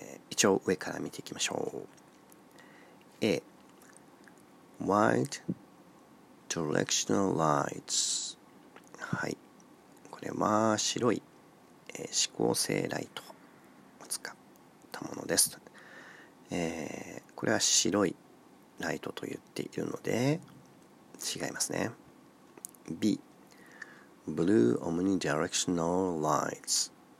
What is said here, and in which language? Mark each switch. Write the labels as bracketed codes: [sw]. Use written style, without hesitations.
[ja] 一応上から見ていきましょう。 [en] A. White directional lights. [ja] はい。これは白い、指向性ライトを使ったものです。これは白いライトと言っているので違いますね。 [en] B. Blue omnidirectional lights.